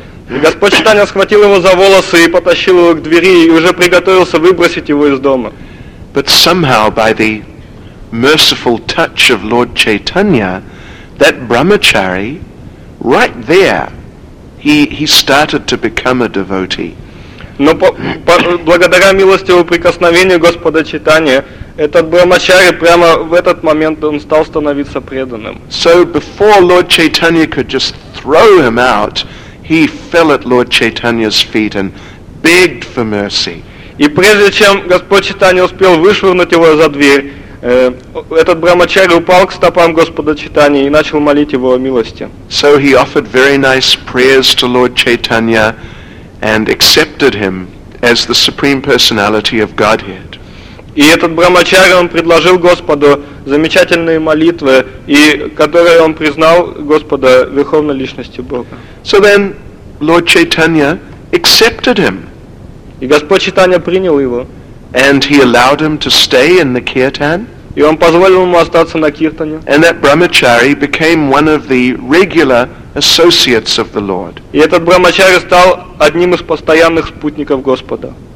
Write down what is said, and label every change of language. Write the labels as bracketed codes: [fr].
[ru] И Господь Читания схватил его за волосы и потащил его к двери и уже приготовился выбросить его из дома. [en] But somehow, by the merciful touch of Lord Chaitanya, that brahmachari, right there, he started to become a devotee. [ru] Но благодаря милостивому прикосновению Господа Читания, Этот брамачари прямо в этот момент он стал становиться преданным. [en] So before Lord Chaitanya could just throw him out, he fell at Lord Chaitanya's feet and begged for mercy. [ru] И прежде чем Господь Читания успел вышвырнуть его за дверь, этот брамачари упал к стопам Господа Читания и начал молить его о милости. [en] So he offered very nice prayers to Lord Chaitanya and accepted him as the Supreme Personality of Godhead. [ru] И этот брамачари он предложил Господу замечательные молитвы, и которые он признал Господа верховной личностью Бога. [en] So then Lord Chaitanya accepted him. [ru] И Господь Читания принял его. [en] And he allowed him to stay in the Kirtan. [ru] И он позволил ему остаться на Киртане. [en] And that brahmachari became one of the regular associates of the Lord. [ru] И этот брамачари стал одним из постоянных спутников Господа.